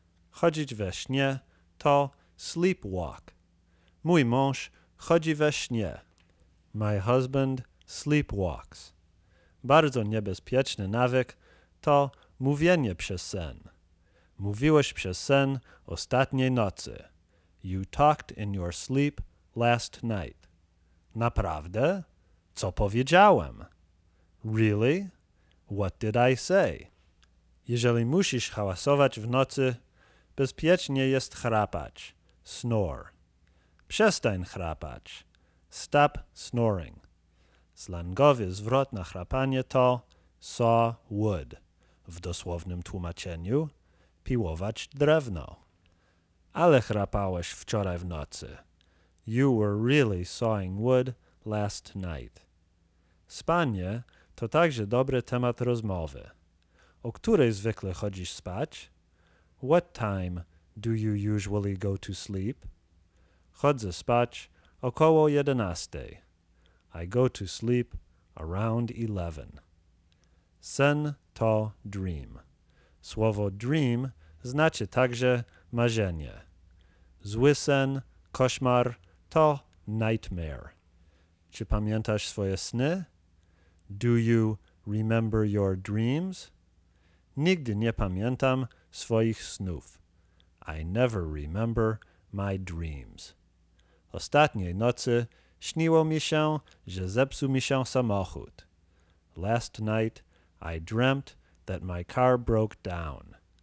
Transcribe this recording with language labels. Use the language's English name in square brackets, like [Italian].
[Polish] Chodzić we śnie to sleepwalk. Mój mąż chodzi we śnie. [English] My husband sleepwalks. [Polish] Bardzo niebezpieczny nawyk to mówienie przez sen. Mówiłeś przez sen ostatniej nocy. [English] You talked in your sleep last night. [Polish] Naprawdę? Co powiedziałem? [English] Really? What did I say? [Polish] Jeżeli musisz hałasować w nocy, bezpiecznie jest chrapać. [English] Snore. [Polish] Przestań chrapać. [English] Stop snoring. [Polish] Slangowy zwrot na chrapanie to saw wood. W dosłownym tłumaczeniu piłować drewno. Ale chrapałeś wczoraj w nocy. [English] You were really sawing wood last night. [Polish] Spanie to także dobry temat rozmowy. O której zwykle chodzisz spać? [English] What time do you usually go to sleep? [Polish] Chodzę spać około 11. [English] I go to sleep around 11. [Polish] Sen to dream. Słowo dream znaczy także marzenie. Zły sen, koszmar, to nightmare. Czy pamiętasz swoje sny? [English] Do you remember your dreams? [Polish] Nigdy nie pamiętam swoich snów. [English] I never remember my dreams. [Polish] Ostatniej nocy śniło mi się, że zepsuł mi się samochód. [English] Last night I dreamt that my car broke down.